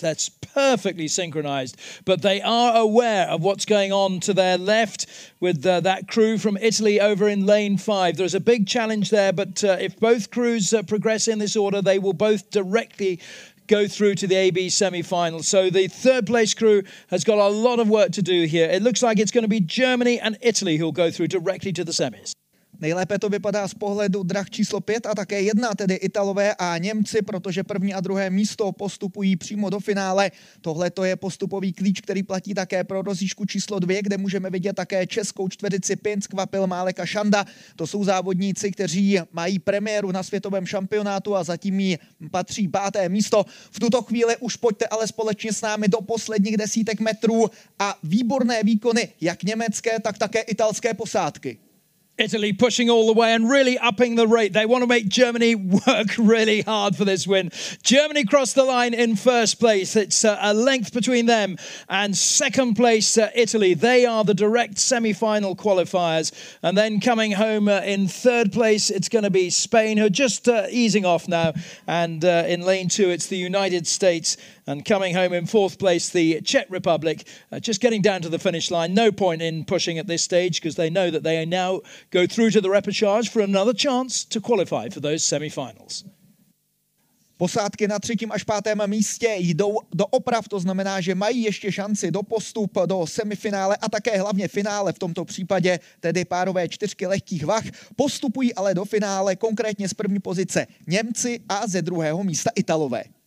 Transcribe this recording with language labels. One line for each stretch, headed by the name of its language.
English: That's perfectly synchronized. But they are aware of what's going on to their left with that crew from Italy over in lane five. There's a big challenge there, but if both crews progress in this order, they will both directly go through to the AB semi-final. So the third place crew has got a lot of work to do here. It looks like it's going to be Germany and Italy who will go through directly to the semis.
Czech: Nejlépe to vypadá z pohledu drah číslo 5 a také 1, tedy Italové a Němci, protože první a druhé místo postupují přímo do finále. Tohle to je postupový klíč, který platí také pro rozíšku číslo 2, kde můžeme vidět také českou čtveřici Pinc, Kvapil, Málek a Šanda. To jsou závodníci, kteří mají premiéru na světovém šampionátu a zatím jí patří páté místo. V tuto chvíli už pojďte ale společně s námi do posledních desítek metrů a výborné výkony jak německé, tak také italské posádky.
English: Italy pushing all the way and really upping the rate. They want to make Germany work really hard for this win. Germany crossed the line in first place. It's a length between them and second place Italy. They are the direct semi-final qualifiers. And then coming home in third place, it's going to be Spain, who are just easing off now. And in lane two, it's the United States. And coming home in fourth place, the Czech Republic, just getting down to the finish line. No point in pushing at this stage because they know that they are now go through to the repechage for another chance to qualify for those semifinals.
Czech: Posádky na třetím až pátém místě jdou do oprav, to znamená, že mají ještě šanci do postup do semifinále a také hlavně finále v tomto případě, tedy párové čtyřky lehkých vah. Postupují ale do finále konkrétně z první pozice Němci a ze druhého místa Italové.